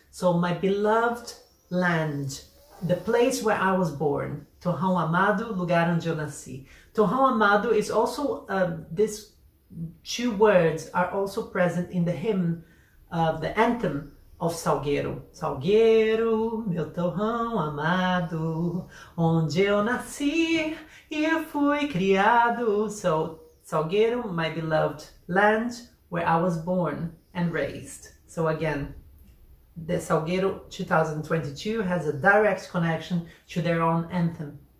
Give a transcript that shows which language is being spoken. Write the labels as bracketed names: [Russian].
[English] So my beloved land, the place where I was born. [Portuguese] Torrão amado, lugar onde eu nasci. [English] Torrão amado is also, these two words are also present in the hymn, the anthem of Salgueiro. [Portuguese] Salgueiro, meu torrão amado, onde eu nasci e fui criado. [English] So, Salgueiro, my beloved land, where I was born and raised. So again, the Salgueiro 2022 has a direct connection to their own anthem.